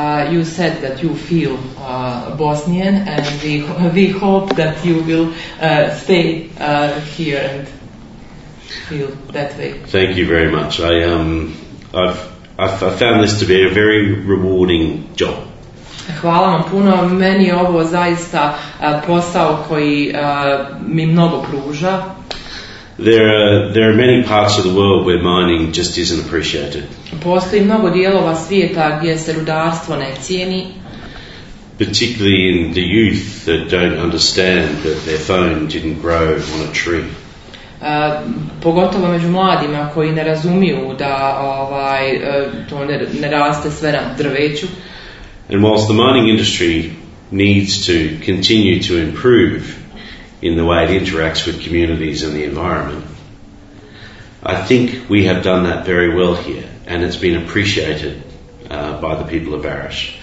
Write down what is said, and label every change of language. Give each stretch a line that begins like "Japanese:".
English: You said that you feel Bosnian and we hope that you will stay here and feel that way. Thank you very much. I've found this to be a very rewarding job.
Bosnian: Hvala vam puno, meni je ovo zaista posao koji mi mnogo pruža.
English: There are many parts of the world where mining just isn't appreciated.
Bosnian: Postoji mnogo dijelova svijeta gdje se rudarstvo ne cijeni.
English: Particularly in the youth that don't understand that their phone didn't grow on a tree.
Bosnian: Pogotovo među mladima koji ne razumiju da to ne raste sve na drveću.
English: And whilst the mining industry needs to continue to improve in the way it interacts with communities and the environment, I think we have done that very well here, and it's been appreciated by the people of Vareš.